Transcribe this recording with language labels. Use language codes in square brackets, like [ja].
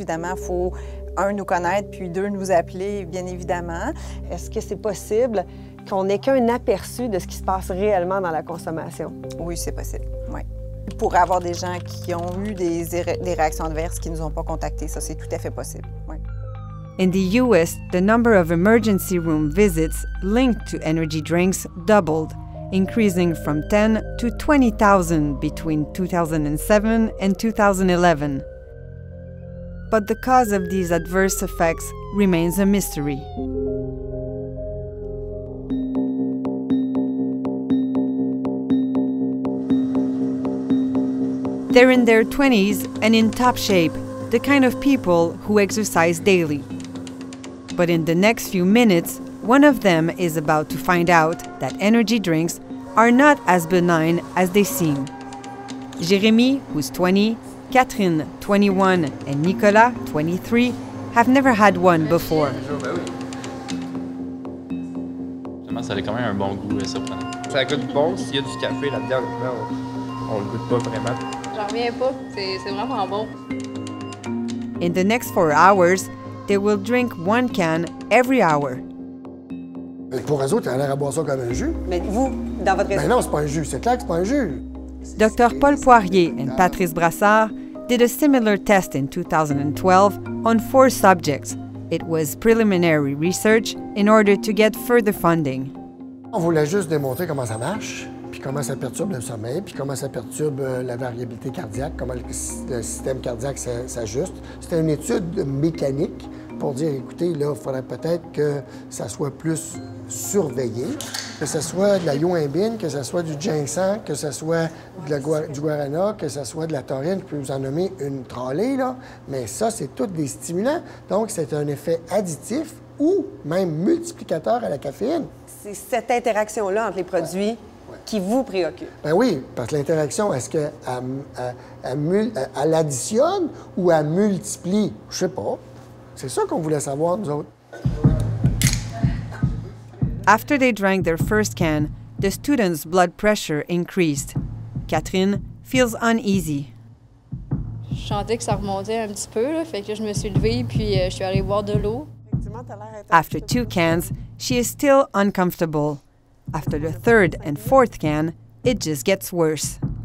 [fr] Évidemment, faut un nous connaître puis deux nous appeler, bien évidemment. Est-ce que c'est possible qu'on ait qu'un aperçu de ce qui se passe réellement dans la consommation? Oui, c'est possible. Oui. Pour avoir des gens qui ont eu des réactions adverses qui nous ont pas contactés, ça c'est tout à fait possible. Oui. [en] In the U.S., the number of emergency room visits linked to energy drinks doubled, increasing from 10 to 20,000 between 2007 and 2011. But the cause of these adverse effects remains a mystery. They're in their 20s and in top shape, the kind of people who exercise daily. But in the next few minutes, one of them is about to find out that energy drinks are not as benign as they seem. Jérémy, who's 20, Catherine, 21, and Nicolas, 23, have never had one before. [fr] Ça a quand même un bon goût, c'est surprenant. Ça goûte bon, s'il y a du café là-dedans, on le goûte pas vraiment. J'en reviens pas, c'est vraiment bon. [en] In the next 4 hours, they will drink one can every hour. [fr] Pour eux autres, ils ont l'air à boire ça comme un jus. Mais vous, dans votre raison? Ben non, c'est pas un jus. C'est clair que c'est pas un jus. [en] Dr. Paul Poirier and Patrice Brassard did a similar test in 2012 on 4 subjects. It was preliminary research in order to get further funding. [fr] On voulait juste démontrer comment ça marche, puis comment ça perturbe le sommeil, puis comment ça perturbe la variabilité cardiaque, comment le système cardiaque s'ajuste. C'était une étude mécanique. pour dire, écoutez, là, il faudrait peut-être que ça soit plus surveillé, que ce soit de la yohimbine, que ce soit du ginseng, que ce soit de la guarana, que ce soit de la taurine, je peux vous en nommer une trolley, là. Mais ça, c'est tout des stimulants. Donc, c'est un effet additif ou même multiplicateur à la caféine. C'est cette interaction-là entre les produits qui vous préoccupe. Ben oui, parce que l'interaction, est-ce qu'elle additionne ou elle multiplie? Je sais pas. C'est ça qu'on voulait savoir, nous autres. [en] After they drank their first can, the student's blood pressure increased. Catherine feels uneasy. [fr] Je sentais que ça remontait un petit peu, là, fait que je me suis levée puis je suis allée boire de l'eau. [en] After two cans, she is still uncomfortable. After the third and fourth can, it just gets worse.